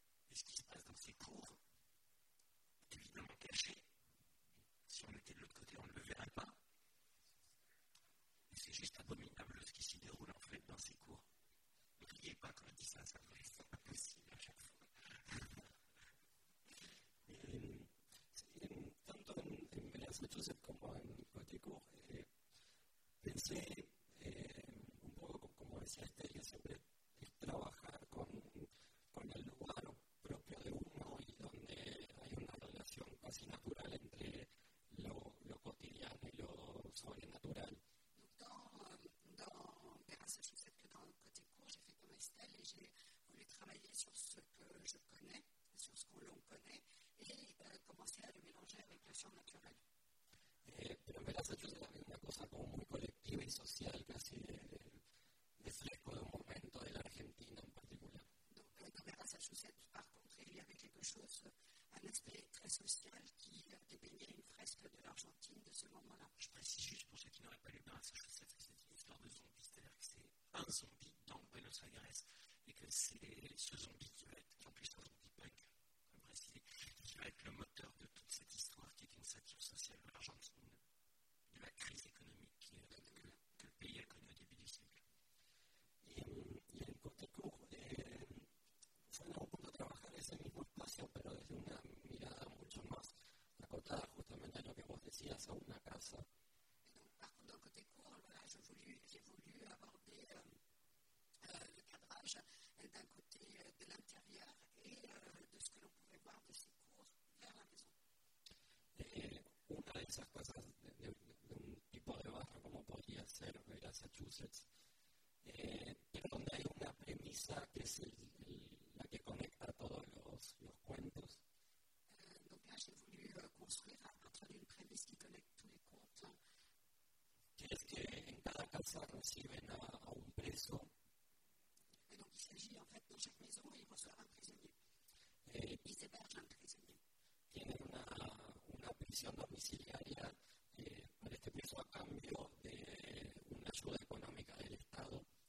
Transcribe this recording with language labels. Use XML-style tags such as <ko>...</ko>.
<fr>Et ce qui se passe dans ces cours est évidemment caché. Si on était de l'autre côté, on ne le verrait pas. Et c'est juste abominable ce qui s'y déroule en fait dans ces cours. Ne riez pas quand je dis ça, c'est pas possible à chaque fois.</fr> <es>Tanto en Massachusetts comme en côté cours,</es> <fr>penser un peu comme</fr> <es>decía Estelle, siempre es trabajar con el lugar propio de uno y donde hay una relación casi natural entre lo cotidiano y lo sobrenatural.</es> <fr>Dans le côté court, j'ai fait comme Estelle et j'ai voulu travailler sur ce que je connais, sur ce que l'on connaît, et commencer à le mélanger avec le surnaturel.</fr> <es>Pero en Massachusetts había una cosa como muy colectiva y social, casi de fresco de un momento de la Argentina en particular.</es> <fr>Donc, dans Massachusetts, par contre, il y avait quelque chose, un aspect très social qui dépeignait une fresque de l'Argentine de ce moment-là. Je précise juste pour ceux qui n'auraient pas lu Massachusetts que c'est une histoire de zombies, c'est-à-dire que c'est un zombie dans Buenos Aires et que c'est ce zombie qui va être, en plus un zombie punk, comme précisé, qui va être le moteur de toute cette histoire qui est une satire sociale de l'Argentine, de la crise économique que le pays a connue au début du siècle.</fr> <es>Y en côté court, fue un punto de trabajar ese mismo espacio, pero desde una mirada mucho más acotada, justamente a lo que vos decías, a una casa.</es> <fr>Par contre, dans le côté court, voilà, j'ai voulu aborder le cadrage d'un côté de l'intérieur et de ce que l'on pouvait voir de ces cours vers la maison.</fr> <es>Una de esas cosas de un tipo de barrio como podría ser Massachusetts, pero donde hay una premisa que es la que conecta todos los cuentos.</es> <fr>Donc là, j'ai voulu construire à partir d'une prémisse qui connecte tous les contes.</fr> <es>Es que en cada casa reciben a un preso.</es> <fr>Et donc il s'agit en fait dans chaque maison, ils reçoivent un prisonnier. Ils hébergent un prisonnier.</fr> <es>Tienen una prisión domiciliaria para este preso a cambio de una ayuda económica del Estado.</es>